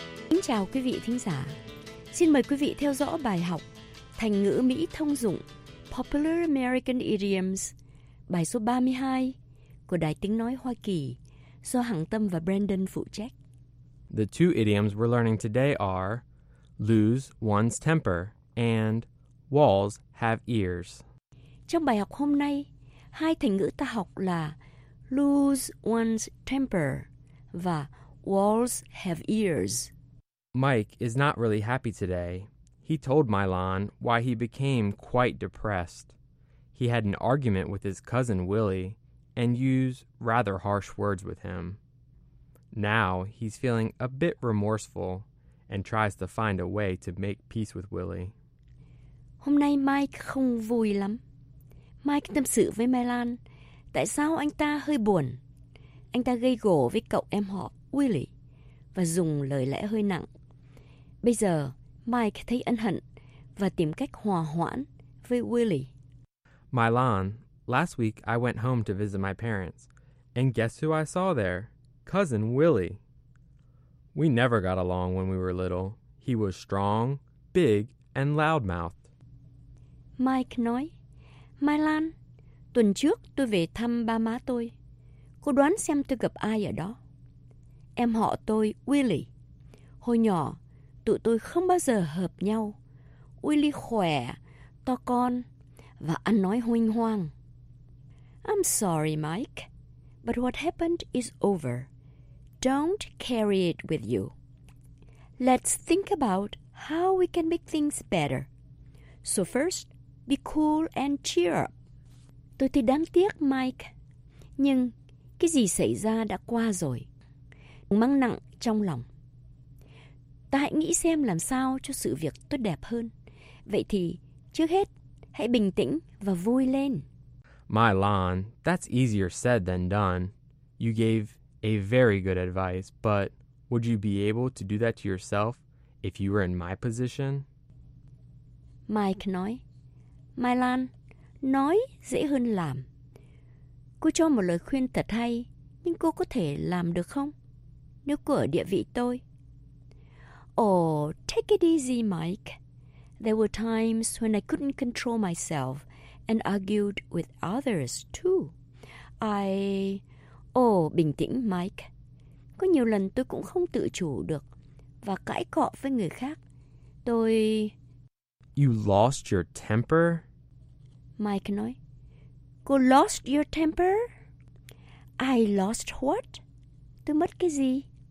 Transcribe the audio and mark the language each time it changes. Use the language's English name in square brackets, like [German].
[Vietnamese] Kính chào quý vị thính giả. Xin mời quý vị theo dõi bài học thành ngữ Mỹ thông dụng Popular American Idioms, bài số 32 của Đài Tiếng Nói Hoa Kỳ, do Hằng Tâm và Brandon phụ trách. [English] The two idioms we're learning today are lose one's temper and walls have ears. [Vietnamese] Trong bài học hôm nay, hai thành ngữ ta học là [English] lose one's temper [Vietnamese] và [English] walls have ears. Mike is not really happy today. He told Milan why he became quite depressed. He had an argument with his cousin Willie and used rather harsh words with him. Now he's feeling a bit remorseful and tries to find a way to make peace with Willie. [Vietnamese] Hôm nay Mike không vui lắm. Mike tâm sự với Milan tại sao anh ta hơi buồn. Anh ta gây gổ với cậu em họ Willie và dùng lời lẽ hơi nặng. Bây giờ Mike thấy ân hận và tìm cách hòa hoãn với Willie. [English] Milan, last week I went home to visit my parents, and guess who I saw there? Cousin Willie. We never got along when we were little. He was strong, big, and loud-mouthed. [Vietnamese] Mike nói, Milan, tuần trước tôi về thăm ba má tôi. Cô đoán xem tôi gặp ai ở đó. em họ tôi Willie. Hồi nhỏ, tụi tôi không bao giờ hợp nhau. Willie khỏe, to con và ăn nói huênh hoang. [English] I'm sorry, Mike, but what happened is over. Don't carry it with you. Let's think about how we can make things better. So first, be cool and cheer up. [Vietnamese] Tôi thì đáng tiếc, Mike. Nhưng cái gì xảy ra đã qua rồi. Đừng mang nặng trong lòng. Ta hãy nghĩ xem làm sao cho sự việc tốt đẹp hơn. Vậy thì, trước hết, hãy bình tĩnh và vui lên. [English] My Lan, that's easier said than done. You gave a very good advice, but would you be able to do that to yourself if you were in my position? [Vietnamese] Mike nói, My Lan, nói dễ hơn làm. Cô cho một lời khuyên thật hay, nhưng cô có thể làm được không? Nếu cô ở địa vị tôi. [English] Oh, take it easy, Mike. There were times when I couldn't control myself and argued with others, too. [Vietnamese] Bình tĩnh, Mike. Có nhiều lần tôi cũng không tự chủ được và cãi cọ với người khác. Tôi... [English] You lost your temper? [Vietnamese] Mike nói. Cô [English] lost your temper? I lost what? [Vietnamese] Tôi mất cái gì?